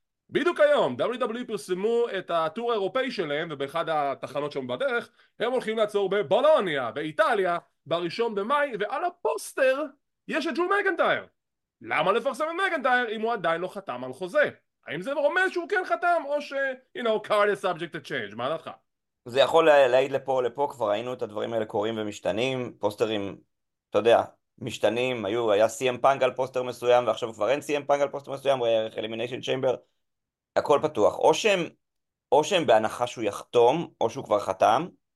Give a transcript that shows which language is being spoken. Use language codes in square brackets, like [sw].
[he] בדיוק היום, WWE פרסמו את הטור האירופאי שלהם, ובאחד התחנות שם בדרך, הם הולכים לעצור בבולוניה, באיטליה, בראשון במאי, ועל הפוסטר יש את ג'רו מקינטייר. למה לפרסם את מקינטייר אם הוא עדיין לא חתם על חוזה? האם זה רומז שהוא כן חתם, או ש... [en] you know, card is subject to change, [he] מה דעתך? זה יכול להעיד לפה, כבר ראינו את הדברים האלה קורים ומשתנים, פוסטרים, אתה יודע, משתנים, היה CM Punk על פוסטר מסוים, ועכשיו כבר אין CM Punk על פוסטר מסוים, הוא היה ערך Elimination Chamber, הכל פתוח. או שהם בהנחה שהוא יחתום, או שהוא כבר חתם.